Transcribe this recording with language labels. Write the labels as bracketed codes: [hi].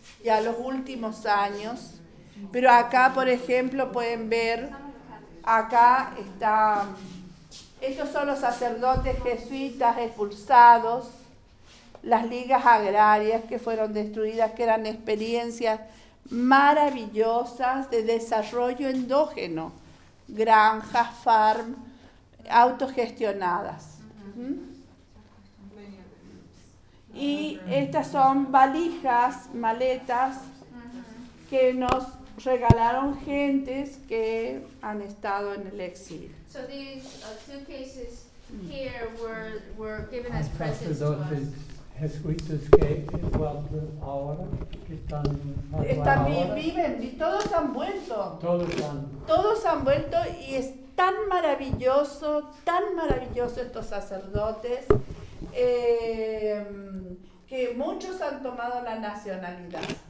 [es] Ya los últimos años, pero acá, por ejemplo, pueden ver, acá está, estos son los sacerdotes jesuitas expulsados, las ligas agrarias que fueron destruidas, que eran experiencias maravillosas de desarrollo endógeno, granjas, [en] farm, [es] autogestionadas. Y estas son valijas, maletas, que nos regalaron gentes que han estado en el exilio. [en] So these suitcases here were given as presents to us. [es] Jesuitas que ahora que están viven y todos han vuelto. Todos han vuelto y es tan maravilloso estos sacerdotes. Que muchos han tomado la nacionalidad.